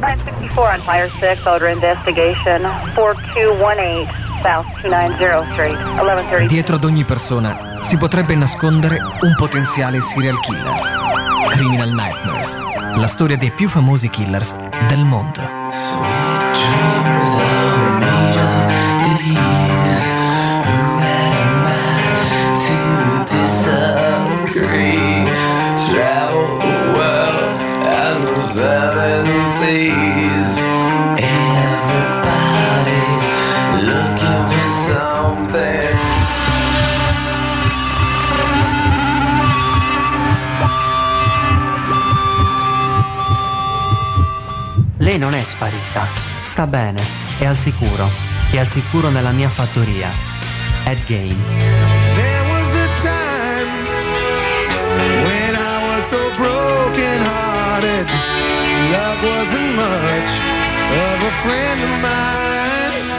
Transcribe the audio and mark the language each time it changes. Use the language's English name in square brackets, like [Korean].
[English] 64 on Fire 6, order investigation. 4218 South 290 Street, 1130. [Italian] Dietro ad ogni persona si potrebbe nascondere un potenziale serial killer. Criminal Nightmares, la storia dei più famosi killers del mondo. [English] Sweet dreams are made of these. Who am I to disagree? Travel the world and the seven seas. Everybody's looking for something. [Italian] Lei non è sparita, sta bene, è al sicuro, è al sicuro nella mia fattoria. Ed Gein. [English] There was a time when I was so broken hearted. Love wasn't much of a friend of mine.